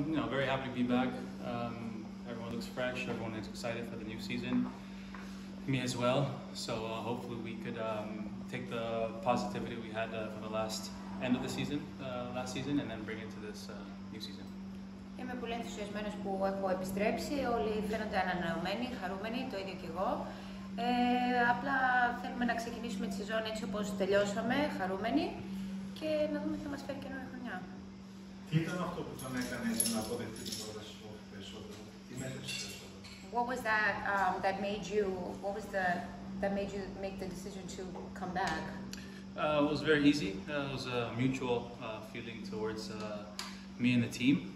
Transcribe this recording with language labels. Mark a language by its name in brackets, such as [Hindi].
[English] Very happy to be back. Everyone looks fresh. Everyone is excited for the new season. Me as well. So hopefully we could take the positivity we had from the last end of the season, last season, and then bring it to this new season. [Greek] Είμαι πολύ ενθουσιασμένος που έχω επιστρέψει. Όλοι φαίνονται ανανεωμένοι, χαρούμενοι, το ίδιο και εγώ. Απλά θέλουμε να ξεκινήσουμε τη σεζόν έτσι όπως τελειώσαμε, χαρούμενοι, και να δούμε τι θα μας φέρει καινούργια χρονιά. Τι ήταν αυτό που τον έκανε να αποδεχτεί την πρόταση σου περισσότερο, τι μέτρησε περισσότερο? [English] What was that that made you, what was the, that made you make the decision to come back? It was very easy. It was a mutual feeling towards me and the team.